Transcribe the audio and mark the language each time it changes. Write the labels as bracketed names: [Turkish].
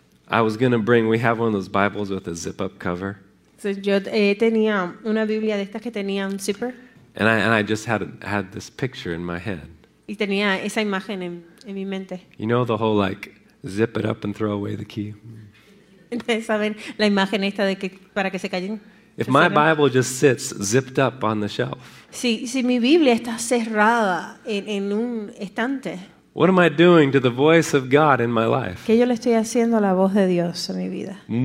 [English] I was going to bring, we have one of those Bibles with a zip-up cover. [Spanish] So, yo tenía una Biblia de estas que tenía un zipper. [English] And I just had this picture in my head. [Spanish] Y tenía esa imagen en mi mente. [English] You know the whole like zip it up and throw away the key. [Spanish] ¿Saben la imagen esta de que para que se callen? [English] If my Bible just sits zipped up on the shelf. [Spanish] Si mi Biblia está cerrada en un estante. [English] What am I doing to the voice of God in my life? [Spanish] ¿Qué yo le estoy haciendo a la voz de Dios en mi vida?